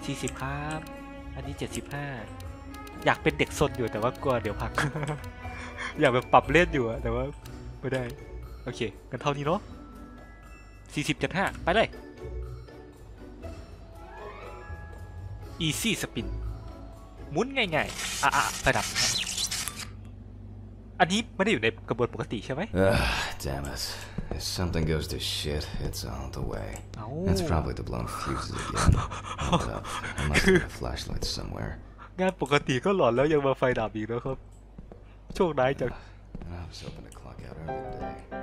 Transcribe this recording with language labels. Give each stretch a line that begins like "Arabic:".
Thai: 40ครับอันนี้75อยากเป็นเด็กซนอยู่แต่ว่ากลัวเดี๋ยวพังอยากแบบปรับเล่นอยู่อะแต่ว่าไม่ได้โอเคกันเท่านี้เนาะ40.5ไปเลย Easy Spin หมุนง่ายๆไปดับอันนี้ไม่ได้อยู่ในกระบวนปกติใช่ไหม
English: Damn itIf something goes to shit, it's on the way. That's probably the blown fuses again. I must have a flashlight somewhere.
Thai: งานปกติก็หลอนแล้วยังมาไฟดับอีกนะครับโชคดายจัง
English: I was hoping to clock out earlier today.